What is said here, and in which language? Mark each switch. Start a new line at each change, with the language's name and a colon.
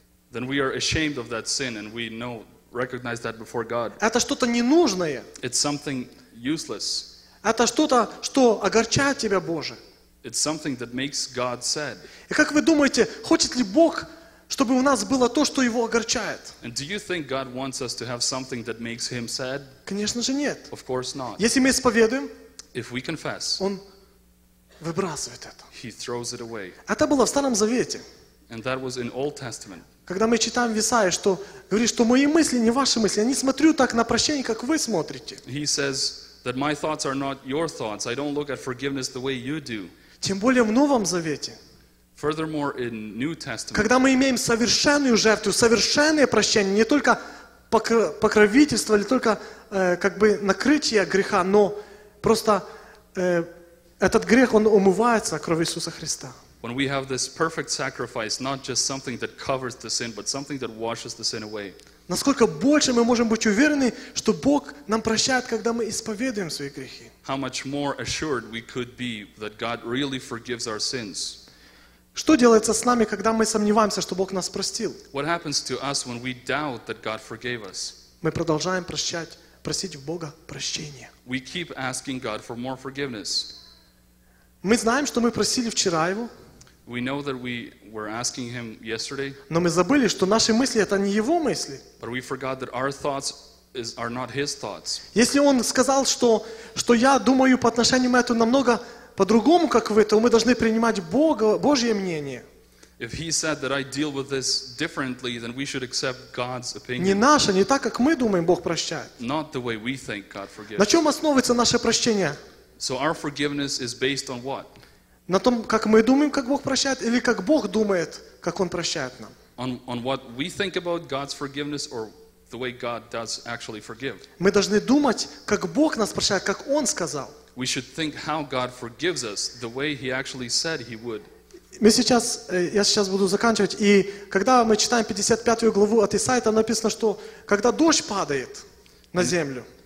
English: Then we are ashamed of that sin, and we know, recognize that before God.
Russian: Это что-то ненужное.
English: It's something useless.
Russian: Это что-то, что огорчает тебя, Боже.
English: It's something that makes God sad.
Russian: И как вы думаете, хочет ли Бог, чтобы у нас было то, что Его огорчает?
English: And do you think God wants us to have something that makes Him sad?
Russian: Конечно же нет.
English: Of course not.
Russian: Если мы исповедуем,
English: if we confess,
Russian: Он выбрасывает это.
English: He throws it away.
Russian: Это было в Старом Завете.
English: And that was in Old Testament.
Russian: Когда мы читаем в Исаии, что говорит, что мои мысли не ваши мысли, я не смотрю так на прощение, как вы смотрите.
English: He says that my thoughts are not your thoughts. I don't look at forgiveness the way you do.
Russian: Тем более в Новом Завете.
English: Furthermore, in New Testament.
Russian: Когда мы имеем совершенную жертву, совершенное прощение, не только покровительство или только как бы накрытие греха, но просто этот грех, он умывается кровью Иисуса Христа.
English: When we have this perfect sacrifice, not just something that covers the sin, but something that washes the sin away.
Russian: Насколько больше мы можем быть уверены, что Бог нам прощает, когда мы исповедуем свои грехи.
English: How much more assured we could be that God really forgives our sins.
Russian: Что делается с нами, когда мы сомневаемся, что Бог нас простил?
English: What happens to us when we doubt that God forgave us?
Russian: Мы продолжаем прощать, просить у Бога прощения.
English: We keep asking God for more forgiveness.
Russian: Мы знаем, что мы просили вчера Его.
English: We know that we were asking Him yesterday.
Russian: Но мы забыли, что наши мысли это не Его мысли.
English: But we forgot that our thoughts are not His thoughts.
Russian: Если Он сказал, что я думаю по отношению к этому намного по-другому, как вы, то мы должны принимать Божье мнение.
English: If He said that I deal with this differently, then we should accept God's opinion.
Russian: Не наше, не так, как мы думаем, Бог прощает.
English: Not the way we think God forgives.
Russian: На чем основывается наше прощение?
English: So our forgiveness is based on what?
Russian: На том, как мы думаем, как Бог прощает, или как Бог думает, как Он прощает нам.
English: On what we think about God's forgiveness or the way God does actually forgive.
Russian: Мы должны думать, как Бог нас прощает, как Он сказал.
English: We should think how God forgives us the way He actually said He would.
Russian: Я сейчас буду заканчивать, и когда мы читаем 55 главу от Исаии, там написано, что когда дождь падает на землю.